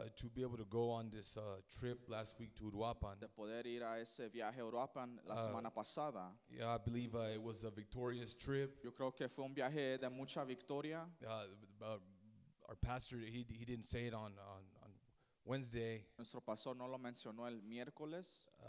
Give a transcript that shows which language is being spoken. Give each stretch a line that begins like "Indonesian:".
English: To be able to go on this trip last week to Uruapan.
Spanish: De poder ir a ese viaje a Uruapan la semana pasada.
English: Yeah, I believe it was a victorious trip.
Spanish: Yo creo que fue un viaje de mucha victoria.
English: Our pastor he didn't say it on Wednesday.
Spanish: Nuestro pastor no lo mencionó el miércoles.